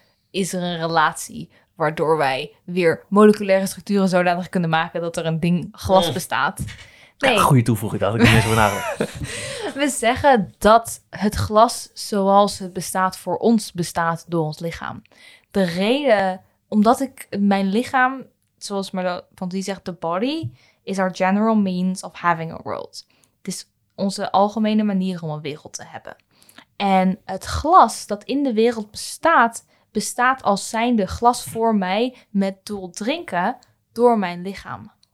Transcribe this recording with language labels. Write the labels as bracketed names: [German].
[Dutch] is er een relatie... waardoor wij weer moleculaire structuren zodanig kunnen maken... dat er een ding glas bestaat. Nee. Ja, goede toevoeging, dat had ik niet eens voor nagedacht. We zeggen dat het glas zoals het bestaat voor ons bestaat door ons lichaam. De reden, omdat ik mijn lichaam, zoals Merleau-Ponty zegt... [English] the body is our general means of having a world. [Dutch] Het is onze algemene manier om een wereld te hebben. En het glas dat in de wereld bestaat... bestaat als zijnde glas voor mij met doel drinken door mijn lichaam.